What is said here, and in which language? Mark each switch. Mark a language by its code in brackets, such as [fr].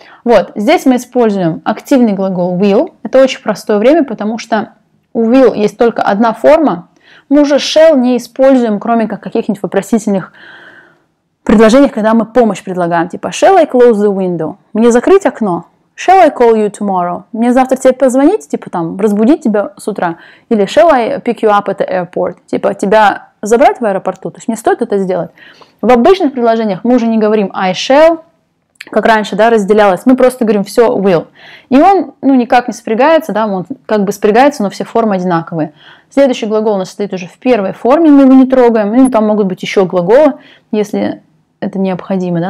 [ru] Вот, здесь мы используем активный глагол will. Это очень простое время, потому что у will есть только одна форма. Мы уже shall не используем, кроме как каких-нибудь вопросительных предложений, когда мы помощь предлагаем. Типа, [en] shall I close the window? [ru] Мне закрыть окно? [en] Shall I call you tomorrow? [ru] Мне завтра тебе позвонить, типа там, разбудить тебя с утра? Или [en] shall I pick you up at the airport? [ru] Типа, тебя забрать в аэропорту? То есть мне стоит это сделать? В обычных предложениях мы уже не говорим [en] I shall, [ru] как раньше, да, разделялось. Мы просто говорим все will. И он, ну, никак не спрягается, да, он как бы спрягается, но все формы одинаковые. Следующий глагол у нас стоит уже в первой форме, мы его не трогаем. Ну, там могут быть еще глаголы, если это необходимо, да.